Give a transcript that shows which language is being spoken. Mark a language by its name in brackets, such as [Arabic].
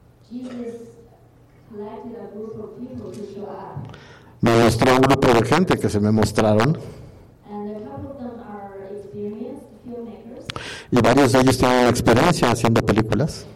[English] Jesus collected a group of people to show up. [Spanish] Me mostró un grupo de gente que se me mostraron. [English] And a couple of them are experienced filmmakers. [Spanish] Y varios de ellos tienen experiencia haciendo películas.